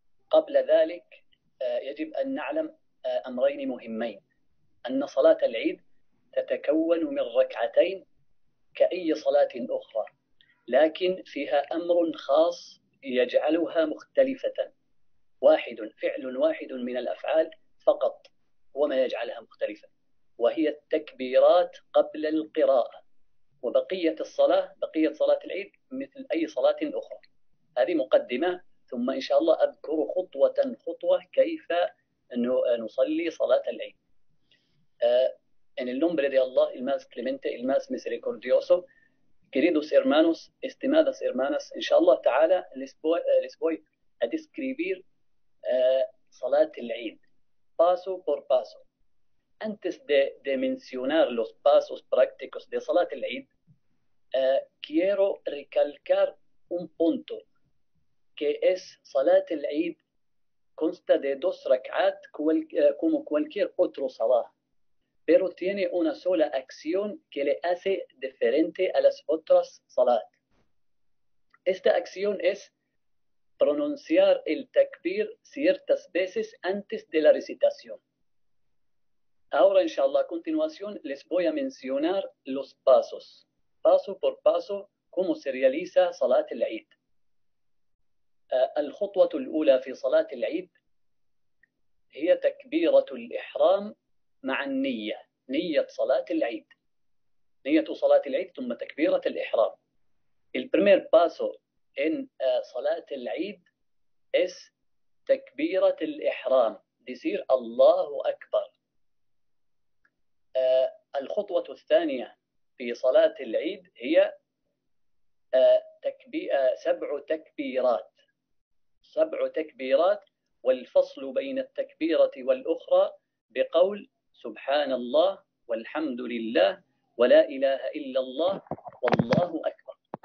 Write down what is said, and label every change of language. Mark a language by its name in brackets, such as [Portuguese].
[Arabic] قبل ذلك يجب أن نعلم أمرين مهمين: أن صلاة العيد تتكون من ركعتين كأي صلاة أخرى، لكن فيها أمر خاص يجعلها مختلفة، واحد فعل واحد من الأفعال فقط هو ما يجعلها مختلفة، وهي التكبيرات قبل القراءة، وبقية الصلاة بقية صلاة العيد مثل أي صلاة أخرى. هذه مقدمة، ثم إن شاء الله أذكر خطوة خطوة كيف نصلي صلاة العيد. [Spanish] En el nombre de Allah, el más clemente, el más misericordioso. Queridos hermanos, estimadas hermanas, en Shah Allah Ta'ala les voy a describir Salat al-Eid paso por paso. Antes de mencionar los pasos prácticos de Salat al-Eid, quiero recalcar un punto, que es Salat al-Eid consta de dos rak'at como cualquier otro salah, pero tiene una sola acción que le hace diferente a las otras salat. Esta acción es pronunciar el takbir ciertas veces antes de la recitación. Ahora, inshallah, a continuación les voy a mencionar los pasos, paso por paso, cómo se realiza salat al-Eid. [Arabic] الخطوة الأولى في صلاة العيد هي تكبيرة الإحرام مع النية، نية صلاة العيد. نية صلاة العيد ثم تكبيرة الإحرام. [Spanish] El primer paso en صلاة العيد es تكبيرة الإحرام. Decir [Arabic] الله أكبر. الخطوة الثانية في صلاة العيد هي سبع تكبيرات. سبع تكبيرات، والفصل بين التكبيرة والأخرى بقول سبحان الله والحمد لله ولا إله إلا الله والله أكبر.